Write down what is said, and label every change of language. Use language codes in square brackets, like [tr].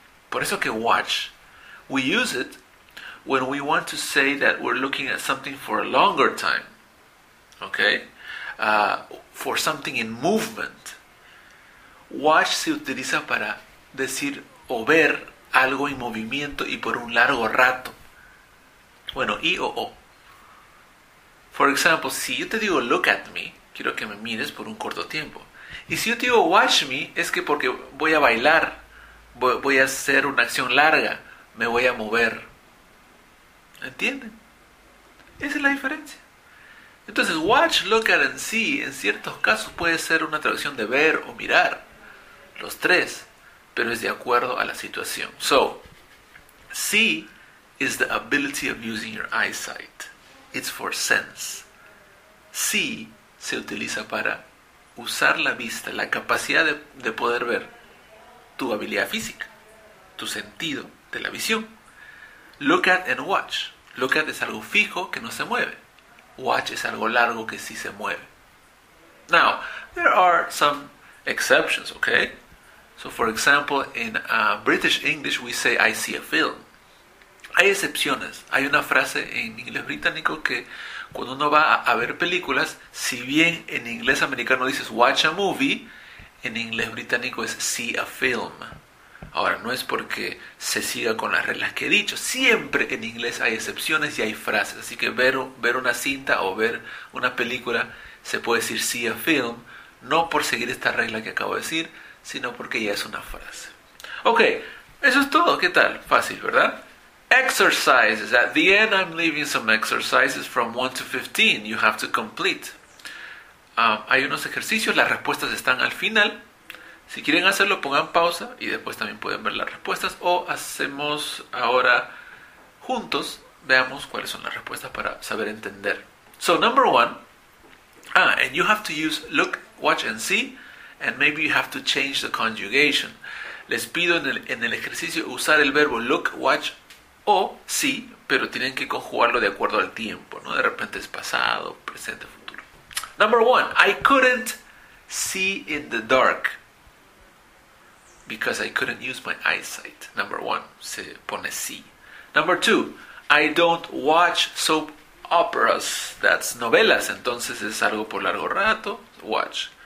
[es] Por eso que [en] watch, we use it when we want to say that we're looking at something for a longer time, okay? For something in movement. [es] Watch se utiliza para decir o ver algo en movimiento y por un largo rato. Bueno, y o. [en] For example, [es] si yo te digo [en] look at me, [es] quiero que me mires por un corto tiempo. Y si yo te digo [en] watch me, [es] es que porque voy a bailar, voy a hacer una acción larga, me voy a mover. ¿Entienden? Esa es la diferencia. Entonces, watch, look at and see, en ciertos casos puede ser una traducción de ver o mirar, los tres, pero es de acuerdo a la situación. [en] So, see is the ability of using your eyesight. It's for sense. [es] See se utiliza para usar la vista, la capacidad de poder ver, tu habilidad física, tu sentido de la visión. Look at and watch. Look at es algo fijo que no se mueve. Watch es algo largo que sí se mueve. [en] Now, there are some exceptions, okay? So, for example, in British English, we say, I see a film. [es] Hay excepciones. Hay una frase en inglés británico que cuando uno va a ver películas, si bien en inglés americano dices [en] watch a movie, [es] en inglés británico es [en] see a film. [es] Ahora, no es porque se siga con las reglas que he dicho. Siempre en inglés hay excepciones y hay frases. Así que ver una cinta o ver una película se puede decir [en] see a film, [es] no por seguir esta regla que acabo de decir, sino porque ya es una frase. Ok, eso es todo. ¿Qué tal? Fácil, ¿verdad? Exercises. [en] At the end, I'm leaving some exercises from 1 to 15. You have to complete. [es] Hay unos ejercicios, las respuestas están al final. Si quieren hacerlo, pongan pausa y después también pueden ver las respuestas. O hacemos ahora juntos, veamos cuáles son las respuestas para saber entender. [en] So, number one. And you have to use look, watch and see. And maybe you have to change the conjugation. [es] Les pido en el ejercicio usar el verbo look, watch o see, pero tienen que conjugarlo de acuerdo al tiempo, ¿no? De repente es pasado, presente, futuro. [en] Number one, I couldn't see in the dark because I couldn't use my eyesight. Number one, [es] se pone [en] see. Number two, I don't watch soap operas. That's [es] novelas, entonces es algo por largo rato. Watch.